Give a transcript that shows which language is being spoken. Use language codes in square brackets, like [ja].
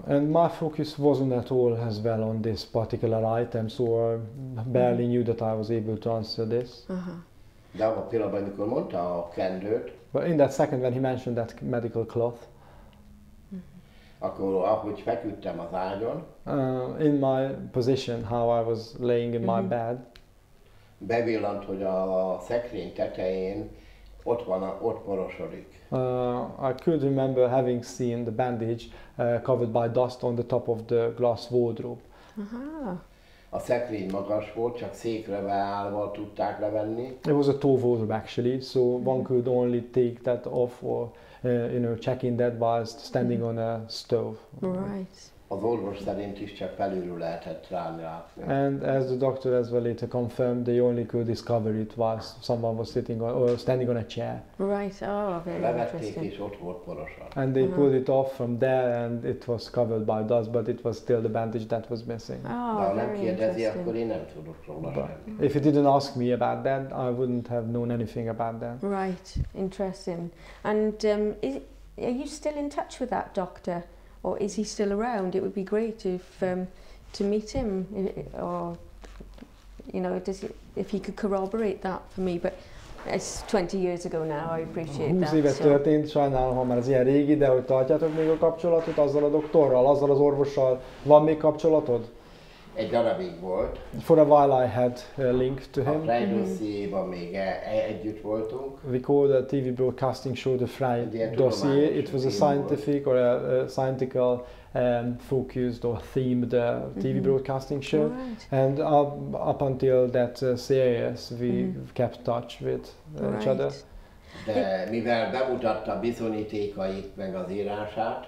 [en] And my focus wasn't at all as well on this particular item, so I barely knew that I was able to answer this. [hu] De a pillanatban, amikor mondta a kendőt. [en] But in that second when he mentioned that medical cloth. [hu] Akkor ahogy feküdtem az ágyon. [en] In my position, how I was laying in my bed. [hu] Bevillant, hogy a szekrény tetején ott van, ott porosodik. [en] I could remember having seen the bandage covered by dust on the top of the glass wardrobe. [hu] A szekrény magas volt, csak székre beállva tudták levenni. [en] It was a tall wardrobe actually, so one could only take that off or you know, check in that whilst standing on a stove. Right. [hu] Az orvos szerint is csak felülről lehetett látni. [en] And as the doctor as well later confirmed, they only could discover it whilst someone was sitting on, or standing on a chair. Right, oh, very interesting. [hu] Levették és ott volt porosan. [en] And they pulled it off from there and it was covered by dust, but it was still the bandage that was missing. Oh, very interesting. [hu] Akkor én nem tudok róla. [en] If you didn't ask me about that, I wouldn't have known anything about that. Right, interesting. And are you still in touch with that doctor? Or is he still around? It would be great if to meet him, or you know, does he, if he could corroborate that for me. But it's 20 years ago now. I appreciate that. [hu] 20 éve történt, sajnálom, ha már ez ilyen régi, de hogy tartjátok még a kapcsolatot azzal a doktorral, azzal az orvossal, van még kapcsolatod? Egy darabig volt. [en] For a while I had a link to him. [hu] A Freidossiéban még együtt voltunk. [en] We called a TV broadcasting show the Freidossié. It was a scientific or a scientific focused or themed TV broadcasting show. Right. And up until that series we kept touch with each other. [hu] De mivel bemutatta bizonyítékait meg az írását.